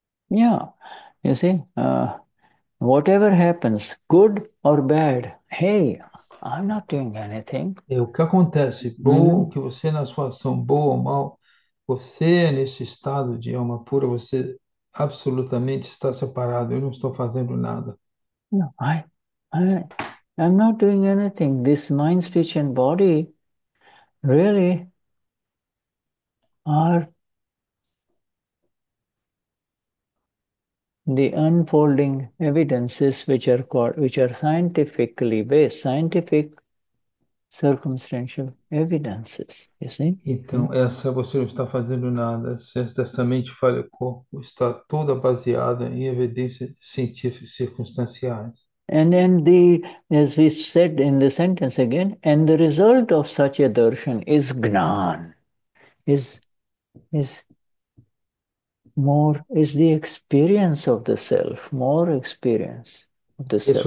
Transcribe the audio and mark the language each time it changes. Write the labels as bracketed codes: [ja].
[en] Yeah, you see, whatever happens, good or bad, hey, I'm not doing anything. [pt] É o que acontece, bom, que você na sua ação, boa ou mal, você nesse estado de alma pura, você absolutamente está separado, eu não estou fazendo nada. [en] No, I'm not doing anything. This mind, speech, and body really are the unfolding evidences which are scientifically based, scientific circumstantial evidences, you see? [pt] Então, essa você não está fazendo nada, essa mente falha corpo, está toda baseada em evidências científicas circunstanciais. [en] And then as we said in the sentence again, and the result of such a darshan is gnan, more is the experience of the self, more experience of the self.